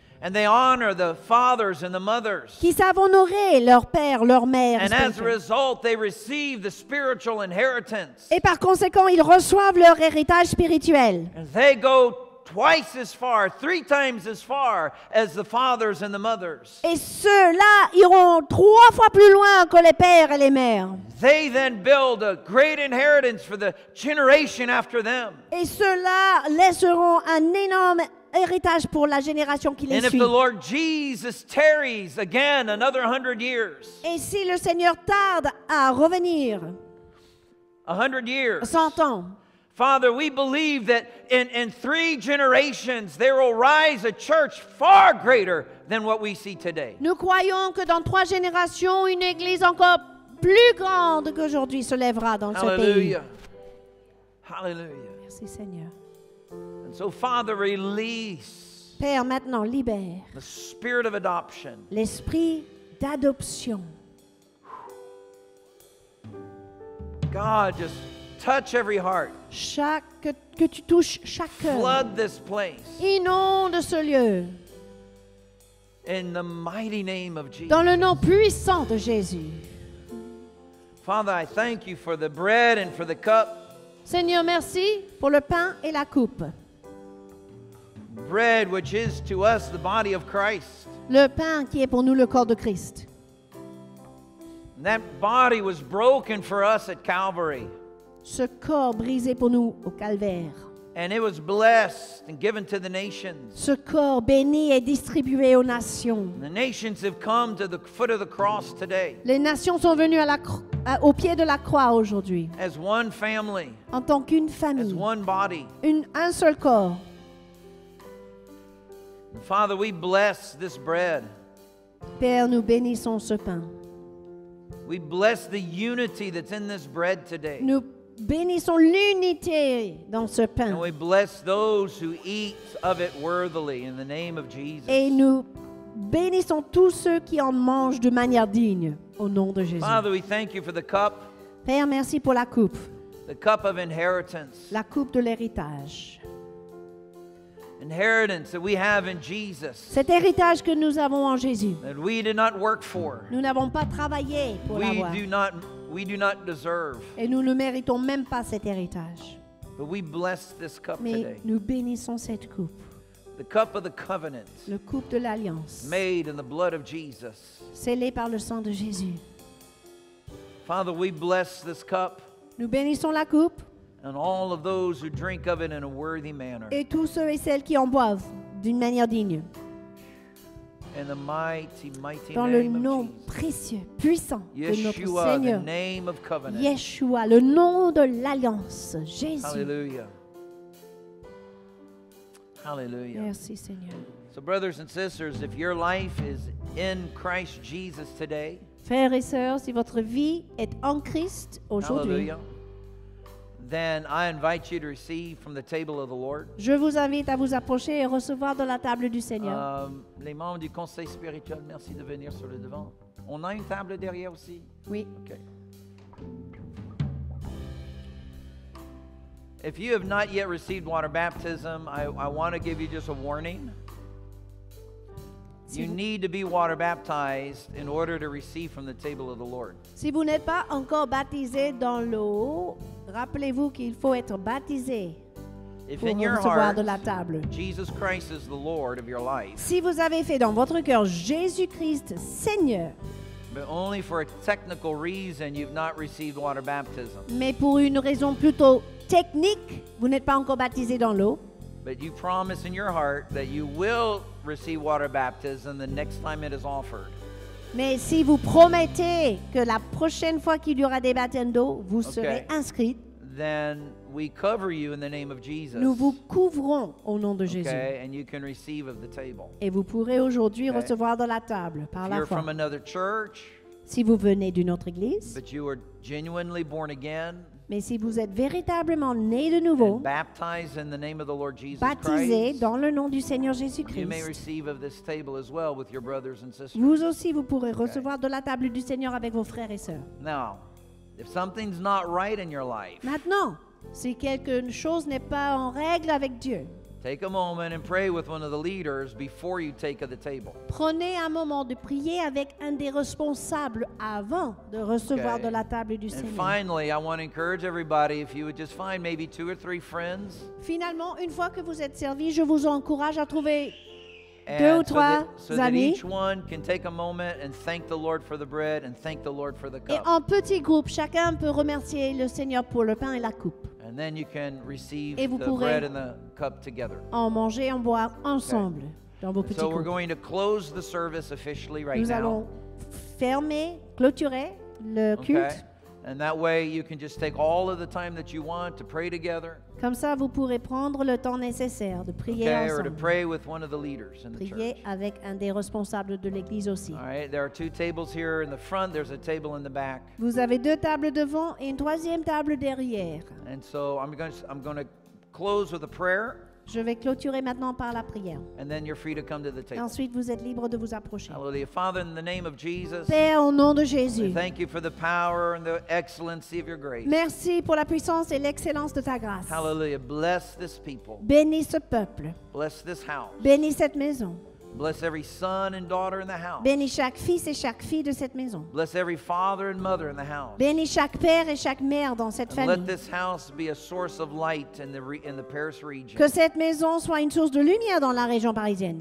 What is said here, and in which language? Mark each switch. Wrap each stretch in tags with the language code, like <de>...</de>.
<en>And they honor the fathers and the mothers.</en> <fr>Qui savent honorer leur père, leur mère.</fr> <en>And as a result, they receive the spiritual inheritance.</en> <fr>Et par conséquent, ils reçoivent leur héritage spirituel.</fr> <en>And they go twice as far, three times as far as the fathers and the mothers.</en> <fr>Et ceux-là iront trois fois plus loin que les pères et les mères.</fr> <en>They then build a great inheritance for the generation after them.</en> <fr>Et ceux-là laisseront un énorme héritage pour la génération qui les suit.</fr> <en>And if the Lord Jesus tarries again another 100 years.</en> <fr>Et si le Seigneur tarde à revenir.</fr> <en>100 years.</en> <fr>100 ans.</fr> <en>Father, we believe that in three generations there will rise a church far greater than what we see today.</en> <fr>Nous croyons que dans trois générations une église encore plus grande qu'aujourd'hui se lèvera dans ce Hallelujah. Pays. Hallelujah. Merci Seigneur.</fr> <en>So Father, release.</en> <fr>Père, maintenant libère.</fr> <en>The spirit of adoption.</en> <fr>L'esprit d'adoption.</fr> <en>God, just touch every heart.</en> <fr>Chaque que tu touches chaque cœur.</fr> <en>Flood this place.</en> <fr>Inonde ce lieu.</fr> <en>In the mighty name of Jesus.</en> <fr>Dans le nom puissant de Jésus.</fr> <en>Father, I thank you for the bread and for the cup.</en> <fr>Seigneur, merci pour le pain et la coupe.</fr> <en>Bread, which is to us the body of Christ.</en> <fr>Le pain qui est pour nous le corps de Christ.</fr> <en>And that body was broken for us at Calvary.</en> <fr>Ce corps brisé pour nous au calvaire.</fr> <en>And it was blessed and given to the nations.</en> <fr>Ce corps béni est distribué aux nations.</fr> <en>The nations have come to the foot of the cross today.</en> <fr>Les nations sont venues au pied de la croix aujourd'hui.</fr> <en>As one family.</en> <fr>En tant qu'une famille.</fr> <en>As one body.</en> <fr>Un seul corps.</fr> <en>Father, we bless this bread.</en> <fr>Père, nous bénissons ce pain.</fr> <en>We bless the unity that's in this bread today.</en> <fr>Nous bénissons l'unité dans ce pain.</fr> <en>And we bless those who eat of it worthily in the name of Jesus.</en> <fr>Et nous bénissons tous ceux qui en mangent de manière digne au nom de Jésus.</fr> <en>Father, we thank you for the cup.</en> <fr>Père, merci pour la coupe.</fr> <en>The cup of inheritance.</en> <fr>La coupe de l'héritage.</fr> <en>inheritance that we have in Jesus.</en> <fr>Cet héritage que nous avons en Jésus.</fr> <en>That we did not work for.</en> <fr>Nous n'avons pas travaillé pour</fr> <en>we</en> <fr>l'avoir.</fr> <en>We do not deserve.</en> <fr>Et nous ne méritons même pas cet héritage.</fr> <en>But we bless this cup</en> <fr>Mais</fr> <en>today.</en> <fr>Nous bénissons cette coupe.</fr> <en>The cup of the covenant.</en> <fr>Le coupe de l'alliance.</fr> <en>Made in the blood of Jesus.</en> <fr>Scellé par le sang de Jésus.</fr> <en>Father, we bless this cup.</en> <fr>Nous bénissons la coupe.</fr> <en>And all of those who drink of it in a worthy manner.</en> <fr>Et tous ceux et celles qui en boivent d'une manière digne.</fr> <en>In the mighty, mighty</en> <fr>Dans</fr> <en>name</en> <fr>le nom</fr> <en>of Jesus.</en> <fr>Précieux, puissant Yeshua, de notre Seigneur.</fr> <en>The name of covenant.</en> <fr>Yeshua, le nom de l'alliance, Jésus. Hallelujah. Hallelujah. Merci, Seigneur.</fr> <en>So brothers and sisters, if your life is in Christ Jesus today,</en> <fr>frères et sœurs, si votre vie est en Christ aujourd'hui, Hallelujah.</fr> <en>Then I invite you to receive from the table of the Lord.</en> <fr>Je vous invite à vous approcher et recevoir de la table du Seigneur. Les membres du conseil spirituel, merci de venir sur le devant. On a une table derrière aussi? Oui. Okay.</fr> <en>If you have not yet received water baptism, I want to give you just a warning. You need to be water baptized in order to receive from the table of the Lord.</en> <fr>Si vous n'êtes pas encore baptisé dans l'eau, rappelez-vous qu'il faut être baptisé pour recevoir</fr> <en>heart,</en> <fr>de la table.</fr> <en>Jesus Christ is the Lord of your life.</en> <fr>Si vous avez fait dans votre cœur Jésus-Christ Seigneur,</fr> <en>but only for a technical reason you've not received water baptism.</en> <fr>Mais pour une raison plutôt technique, vous n'êtes pas encore baptisé dans l'eau.</fr> <en>But you promise in your heart that you will receive water baptism the next time it is offered.</en> <fr>Mais si vous promettez que la prochaine fois qu'il y aura des baptêmes d'eau, vous serez inscrit.</fr> <en>Then we cover you in the name of Jesus.</en> <fr>Nous vous couvrons au nom de Jésus.</fr> <en>Okay, and you can receive of the table.</en> <fr>Et vous pourrez aujourd'hui recevoir de la table par</fr> <en>If</en> <fr>la</fr> <en>you're</en> <fr>foi.</fr> <en>From another church,</en> <fr>si vous venez d'une autre église,</fr> <en>but you are genuinely born again,</en> <fr>mais si vous êtes véritablement né de nouveau,</fr> <en>baptized in the name of the Lord Jesus</en> <fr>baptisé</fr> <en>Christ,</en> <fr>dans le nom du Seigneur Jésus-Christ,</fr> <en>you may receive of this table as well with your brothers and sisters.</en> <fr>Vous aussi, vous pourrez recevoir de la table du Seigneur avec vos frères et sœurs.</fr> <en>Now, if something's not right in your life,</en> <fr>maintenant, si quelque chose n'est pas en règle avec Dieu,</fr> <en>take a moment and pray with one of the leaders before you take of the table.</en> <fr>Prenez un moment de prier avec un des responsables avant de recevoir de la table du Seigneur.</fr> <en>And finally, I want to encourage everybody if you would just find maybe two or three friends.</en> <fr>Finalement, une fois que vous êtes servi, je vous encourage à trouver deux ou trois amis.</fr> <en>So that each one can take a moment and thank the Lord for the bread and thank the Lord for the cup.</en> <fr>Et en petit groupe, chacun peut remercier le Seigneur pour le pain et la coupe.</fr> <en>And then you can receive the bread and the cup together.</en> <fr>En manger, en boire ensemble dans vos petits groupes.</fr> <en>So we're going to close the service officially right now.</en> <fr>Nous allons fermer, clôturer le culte. Okay.</fr> <en>And that way you can just take all of the time that you want to pray together.</en> <fr>Comme ça, vous pourrez prendre le temps nécessaire de prier okay, ensemble.</fr> <en>Or to pray with one of the leaders in</en> <fr>prier</fr> <en>the church.</en> <fr>Avec un des responsables de l'église aussi.</fr> <en>All right, there are two tables here in the front. There's a table in the back.</en> <fr>Vous avez deux tables devant et une troisième table derrière.</fr> <en>And so I'm going to close with a prayer.</en> <fr>Je vais clôturer maintenant par la prière.</fr> <en>And then you're free to come to the table.</en> <fr>Ensuite, vous êtes libre de vous approcher.</fr> <en>Hallelujah. Father, in the name of Jesus,</en> <fr>Père, au nom de Jésus,</fr> <en>we thank you for the power and the excellency of your grace.</en> <fr>Merci pour la puissance et l'excellence de ta grâce.</fr> <en>Hallelujah. Bless this people.</en> <fr>Bénis ce peuple.</fr> <en>Bless this house.</en> <fr>Bénis cette maison.</fr> <en>Bless every son and daughter in the house.</en> <fr>Bénis chaque fils et chaque fille de cette maison.</fr> <en>Bless every father and mother in the house.</en> <fr>Bénis chaque père et chaque mère dans cette famille.</fr> <en>Let this house be a source of light in the Paris region.</en> <fr>Que cette maison soit une source de lumière dans la région parisienne.</fr>